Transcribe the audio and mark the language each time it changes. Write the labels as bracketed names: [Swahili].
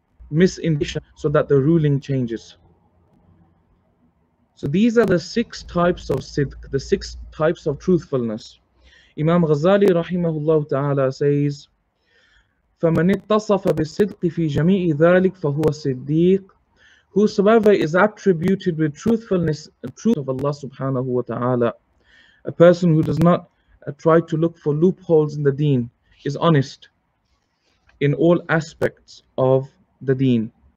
[English] Misinformation, so that the ruling changes. So these are the six types of sidq, the six types of truthfulness. Imam Ghazali rahimahullah ta'ala says, [Arabic] فَمَنِ اتَّصَفَ بِالصِّدْقِ فِي جَمِيعِ ذَلِكَ فَهُوَ صِدِّيقٌ. [English] Whosoever is attributed with truthfulness, truth of Allah subhanahu wa ta'ala, a person who does not try to look for loopholes in the deen, is honest in all aspects of the deen.